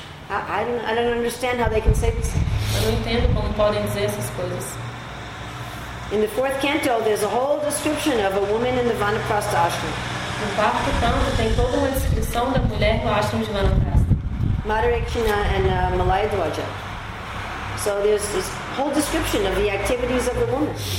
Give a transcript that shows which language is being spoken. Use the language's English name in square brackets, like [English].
[English] I don't understand how they can say this. [Portuguese] Eu não entendo como podem dizer essas coisas. [English] In the fourth canto, there's a whole description of a woman in the Vanaprastha ashram. [Portuguese] No quarto canto tem toda uma descrição da mulher no ashram de Vanaprastha. [English] Madhurekshina and Malayadwaja. So there's this whole description of the activities of the woman.